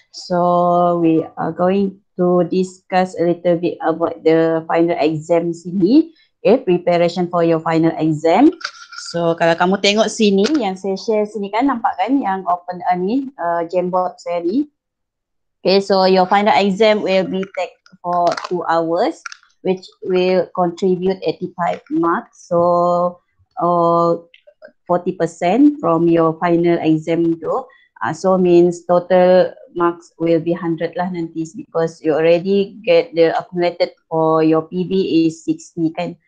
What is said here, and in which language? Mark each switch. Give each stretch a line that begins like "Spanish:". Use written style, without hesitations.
English: So we are going to discuss a little bit about the final exam
Malay: sini.
English: Okay, preparation for your final exam.
Malay: So kalau kamu tengok sini yang saya share sini kan nampak kan yang open ni Jamboard saya ni.
English: Okay, so your final exam will be take for 2 hours, which will contribute 85 marks. So 40% from your final exam
Malay: tu.
English: So means total marks will be 100
Malay: lah nanti
English: because you already get the accumulated for your PB is 60
Malay: kan.